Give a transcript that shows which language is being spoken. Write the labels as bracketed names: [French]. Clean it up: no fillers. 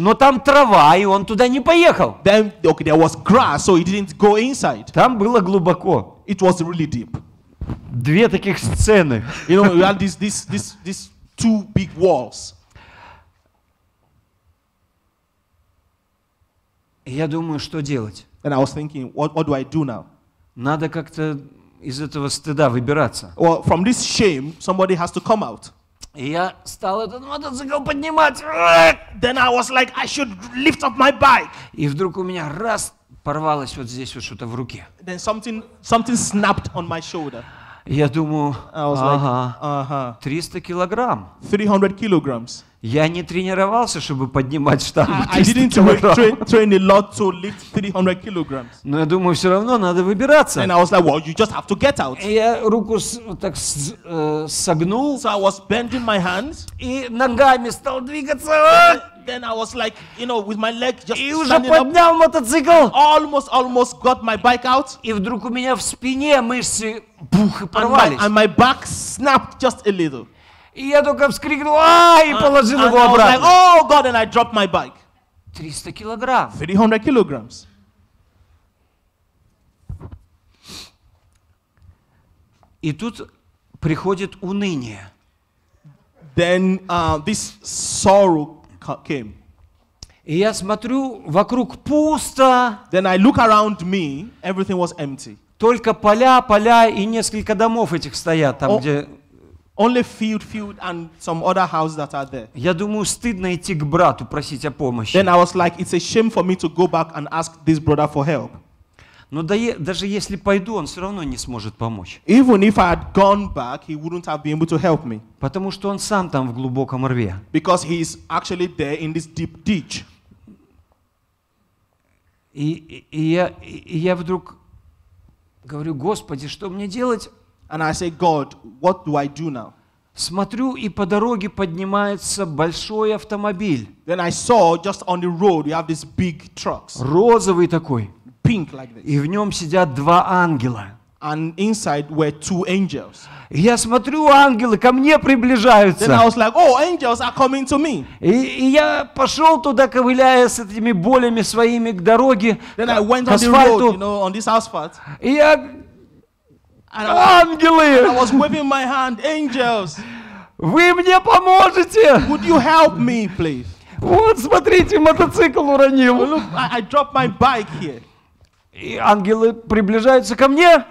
[Russian] Но там трава, и он туда не поехал. [English] Then, okay, there was grass, so he didn't go inside. [Russian] Там было глубоко. [English] It was really deep. [Russian] Две таких сцены. [English] You know, we had these two big walls. [Russian] Я думаю, что делать? [English] Then I was thinking, what do I do now? [Russian] Надо как-то из этого стыда выбираться. [English] Well, from this shame, somebody has to come out. [Russian] И я стал этот мотоцикл поднимать. [English] Then I was like, I should lift up my bike. [Russian] И вдруг у меня раз порвалось вот здесь вот что-то в руке. [English] Then something snapped on my shoulder. [Russian] Я думаю, ага, [English] like, [Russian] ага, 300 килограмм. [English] 300 kilograms. [Russian] Я не тренировался, чтобы поднимать штангу 300 килограмм. [English] I didn't train a lot to lift 300 kilograms. [Russian] Но я думаю, все равно надо выбираться. [English] And I was like, well, you just have to get out. [Russian] И я руку так согнул. [English] So I was bending my hands. [Russian] И ногами стал двигаться. [English] Then I was like, you know, with my leg just standing up. [Russian] И уже поднял мотоцикл. [English] Almost got my bike out. [Russian] И вдруг у меня в спине мышцы бух и порвались. [English] And my back snapped just a little. [Russian] И я только вскрикнул, и положил его обратно. [English] And I was like, oh God, and I dropped my bike. [Russian] 300 килограмм. [English] 300 kilograms. [Russian] И тут приходит уныние. [English] Then this sorrow came. [Russian] И я смотрю, вокруг пусто. [English] Then I look around me, everything was empty. [Russian] Только поля и несколько домов этих стоят там, где. [English] Only field and some other house that are there. [Russian] Я думаю, стыдно идти к брату просить о помощи. [English] Then I was like, it's a shame for me to go back and ask this brother for help. [Russian] Но даже если пойду, он все равно не сможет помочь. [English] Even if I had gone back, he wouldn't have been able to help me. [Russian] Потому что он сам там в глубоком рве. [English] Because he is actually there in this deep ditch. [Russian] И я вдруг говорю, Господи, что мне делать? [English] And I say, God, what do I do now? [Russian] Смотрю, и по дороге поднимается большой автомобиль. [English] Then I saw just on the road you have this big trucks. [Russian] Розовый такой. [English] Pink like this. [Russian] И в нем сидят два ангела. [English] And inside were two angels. [Russian] Я смотрю, ангелы ко мне приближаются. [English] Then I was like, oh, angels are coming to me. [Russian] И я пошел туда, ковыляя с этими болями своими к дороге. [English] Then [Russian] к, [English] I went [Russian] к [English] on [Russian] асфальту. [English] The road, you know, on this asphalt. [Russian] И я ангелы! [English] I was waving my hand, angels. [Russian] Вы мне поможете? [English] Would you help me, please? [Russian] Вот, смотрите, мотоцикл уронил. [English] Look, I dropped my bike here. [Russian] И ангелы приближаются ко мне.